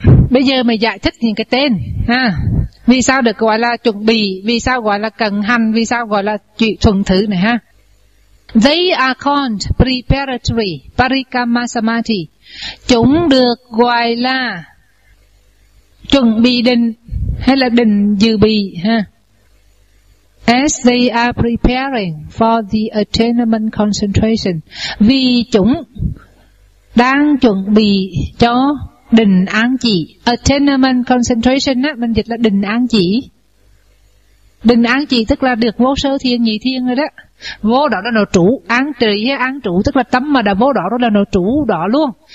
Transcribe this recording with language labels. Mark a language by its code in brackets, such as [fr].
[vi] Bây giờ mày giải thích những cái tên ha. Vì sao được gọi là chuẩn bị, vì sao gọi là cần hành, vì sao gọi là thuần thử này ha. [en] They are called preparatory parikama samadhi. [vi] Chúng được gọi là chuẩn bị định hay là định dự bị ha. [en] As they are preparing for the attainment concentration. [vi] Vì chúng đang chuẩn bị cho định an chỉ. Attainment concentration á, mình dịch là định an chỉ. Định an chỉ tức là được vô sơ thiền nhị thiền rồi đó. Vô đó là nó trụ, an trì hay an trụ, tức là tâm mà đã vô đó là nó trụ đó luôn.